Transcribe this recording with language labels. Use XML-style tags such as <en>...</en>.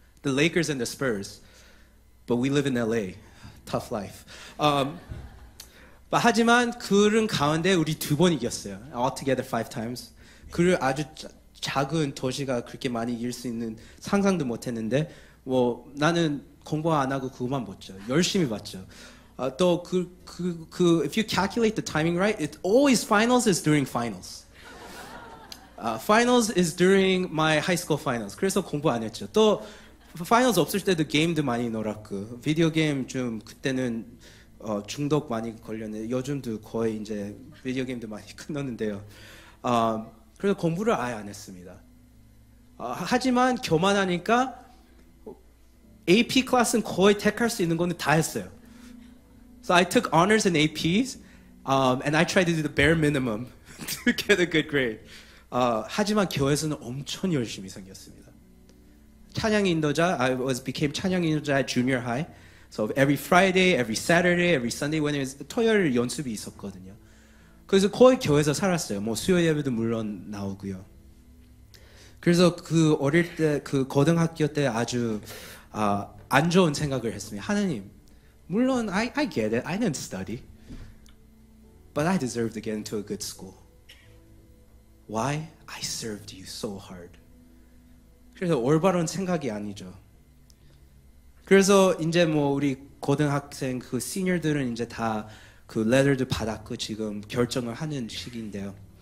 <en>The Lakers and the Spurs. But we live in LA. Tough life.</en> <ko>But 하지만 그런 가운데 우리 두 번 이겼어요.</ko> <en>Altogether five times.</en> <ko>그리고 아주 작은 도시가 그렇게 많이 이길 수 있는 상상도 못했는데 뭐 나는 공부 안 하고 그것만 봤죠. 열심히 봤죠. 또 그</ko> <en>if you calculate the timing right, it always finals is during finals. Finals is during my high school finals.</en> <ko>그래서 공부 안 했죠. 또 finals 없을 때도 게임도 많이 놀았고 비디오 게임 좀 그때는 중독 많이 걸렸는데 요즘도 거의 이제 비디오 게임도 많이 끊었는데요. 그래서 공부를 아예 안 했습니다. 하지만 교만하니까 AP 클래스는 거의 택할 수 있는 거는 다 했어요.</ko> <en>So I took honors and APs, and I tried to do the bare minimum to get a good grade.</en> <ko>하지만 교회에서는 엄청 열심히 생겼습니다.</ko> <en>찬양 인도자, became 찬양 인도자 at junior high. So every Friday, every Saturday, every Sunday, when it was</en> <ko>토요일 연습이 있었거든요. 그래서 거의 교회에서 살았어요. 뭐 수요 예배도 물론 나오고요. 그래서 그 어릴 때, 그 고등학교 때 아주 안 좋은 생각을 했습니다. 하나님, 물론</ko> <en>I get it. I didn't study. But I deserve to get into a good school. Why? I served you so hard.</en> <ko>그래서 올바른 생각이 아니죠. 그래서 이제 뭐 우리 고등학생 그 시니어들은 이제 다 그 레터도 받았고 지금 결정을 하는 시기인데요.</ko>